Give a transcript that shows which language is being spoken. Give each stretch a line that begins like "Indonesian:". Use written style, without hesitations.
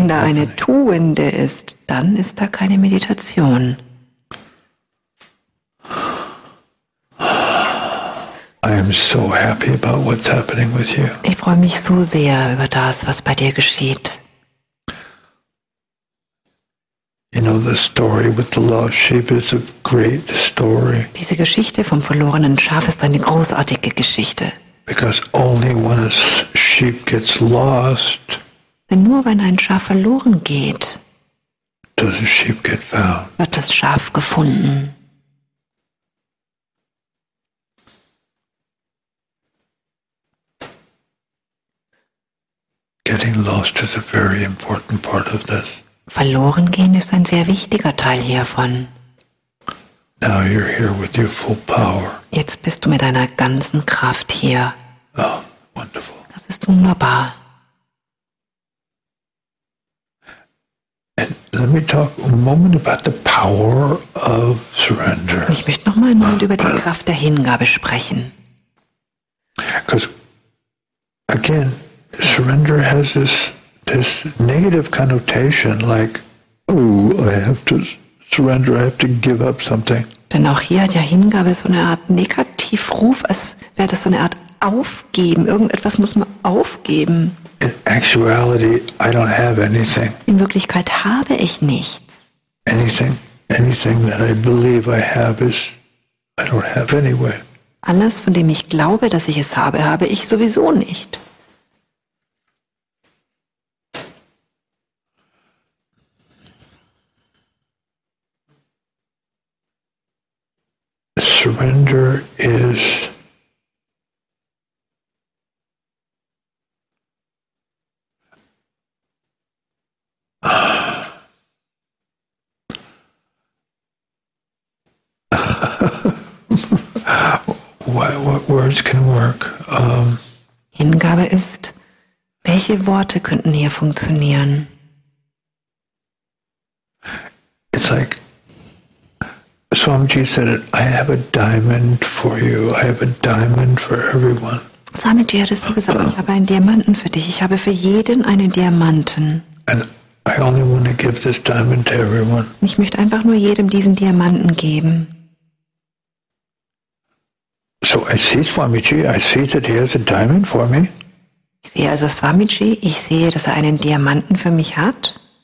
German: Wenn da eine Tuende ist, dann ist da keine Meditation.
English: I am so happy about what's happening with you.
German: Ich freue mich so sehr über das, was bei dir geschieht.
English: You know, the story with the lost sheep is a great story.
German: Diese Geschichte vom verlorenen Schaf ist eine großartige Geschichte.
English: Because only when a sheep gets lost,
German: denn nur wenn ein Schaf verloren geht,
English: does a sheep get found.
German: Wird das Schaf gefunden.
English: Getting lost is a very important part of this.
German: Verloren gehen ist ein sehr wichtiger Teil hiervon.
English: Now you're here with your full power.
German: Jetzt bist du mit deiner ganzen Kraft hier.
English: Oh, wonderful.
German: Das ist wunderbar.
English: And let me talk a moment about the power of surrender.
German: Ich möchte noch mal einen Moment über die Kraft der Hingabe sprechen.
English: Because again, surrender has this. This negative connotation, like, oh, I have to surrender, I have to give up something.
German: Denn auch hier hat ja Hingabe so eine Art Negativruf, als wäre das so eine Art Aufgeben. Irgendetwas muss man aufgeben.
English: In actuality, I don't have anything.
German: In Wirklichkeit habe ich nichts.
English: Anything that I believe I have is, I don't have anyway.
German: Alles, von dem ich glaube, dass ich es habe, habe ich sowieso nicht.
English: Surrender is what words can work?
German: Hingabe ist, welche Worte könnten hier funktionieren?
English: It's like Swamiji said, I have a diamond for you. I have a diamond for everyone.
German: Swamiji hat es so gesagt, ich habe einen Diamanten für dich. Ich habe für jeden einen Diamanten.
English: And I only want to give this diamond to everyone.
German: Ich möchte einfach nur jedem diesen Diamanten geben.
English: So I see Swamiji, I see that he has a diamond for me.
German: Ich sehe also Swamiji, ich sehe, dass er einen Diamanten für mich hat.